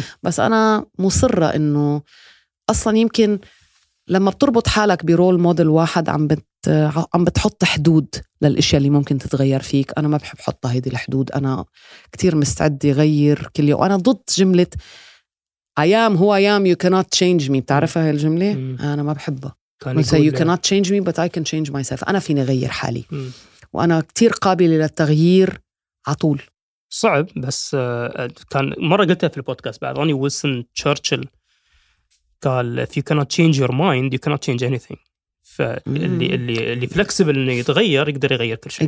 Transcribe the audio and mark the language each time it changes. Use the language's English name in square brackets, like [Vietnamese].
[Arabic] بس أنا مصرة أنه أصلا يمكن لما بتربط حالك برول مودل واحد عم بتحط حدود للإشياء اللي ممكن تتغير فيك. أنا ما بحب حط هيدي الحدود، أنا كتير مستعد يغير كل يوم. أنا ضد جملة [English] I am who I am you cannot change me، [Arabic] بتعرفها هاي الجملة؟ أنا ما بحبها. مثل [English] you cannot change me but I can change myself، [Arabic] أنا فيني غير حالي. وأنا كتير قابلة للتغيير عطول. صعب بس كان مرة قلتها في البودكاست بعد روني ويلسون تشرشل قال [English] if you cannot change your mind you cannot change anything. [Arabic] فاللي فلكسبل انه يتغير يقدر يغير كل شيء.